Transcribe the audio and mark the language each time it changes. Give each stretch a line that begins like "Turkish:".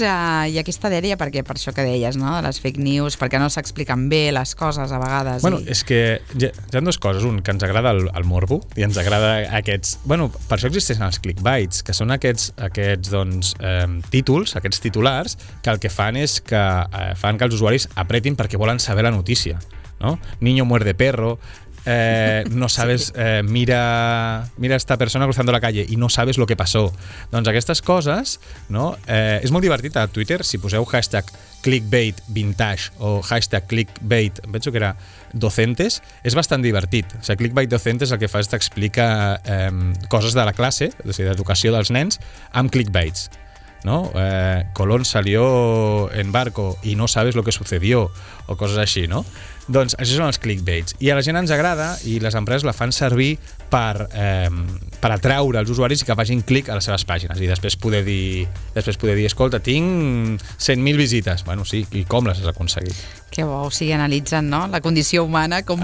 Catalan: I aquesta dèria, perquè per això que deies, no? De les fake news, perquè no s'expliquen bé les coses a vegades. Bueno, és que hi ha dues coses. Un, que ens agrada el morbo i ens agrada aquests... Bueno, per això existeixen els clickbaits, que són aquests doncs, títols, aquests titulars, que el que fan és que fan que els usuaris apretin perquè volen saber la notícia. No?
Spanish: Niño muerde perro, no sabes, mira esta persona cruzando la calle i no sabes lo que pasó.
Catalan: Doncs aquestes coses, no? És molt divertit a Twitter, si poseu hashtag clickbait vintage o hashtag clickbait, penso que era docentes, és bastant divertit. O sigui, clickbait docentes el que fa és t'explica coses de la classe, o sigui, d'educació dels nens, amb clickbaits. No?
Spanish: Colón salió en barco i no sabes lo que sucedió, o coses així, no?
Catalan: Doncs això són els clickbaits. I a la gent ens agrada i les empreses la fan servir per atraure els usuaris i que facin clic a les seves pàgines. I després poder dir, escolta, tinc 100.000 visites. Bueno, sí, i com les has aconseguit? Que bo, o sigui, analitzen, no?, la condició humana com